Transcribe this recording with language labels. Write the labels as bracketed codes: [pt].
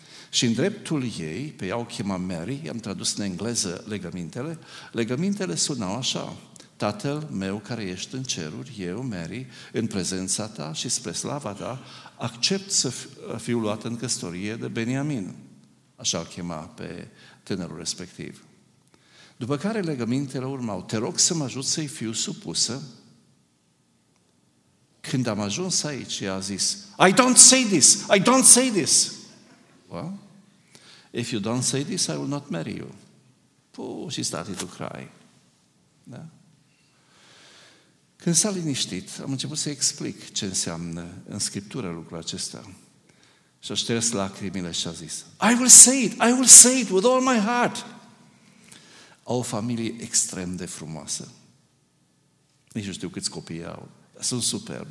[ro] Și în dreptul ei, pe ea o chema Mary, i-am tradus în engleză legămintele, legămintele sunau așa: Tatăl meu care ești în ceruri, eu, Mary, în prezența ta și spre slava ta, accept să fiu luat în căsătorie de Beniamin. Așa o chema pe tânărul respectiv. După care legămintele urmau: te rog să mă ajut să-i fiu supusă. Când am ajuns aici, ea a zis: [en] I don't say this, I don't say this. Well, if you don't say this, I will not marry you. Puh, she started to cry. Da? [ro] Când s-a liniștit, am început să explic ce înseamnă în Scriptură lucrul acesta. Și-a șters lacrimile și a zis: [en] I will say it, I will say it with all my heart. [ro] Au o familie extrem de frumoasă. Nici nu știu câți copii au. Sunt superb.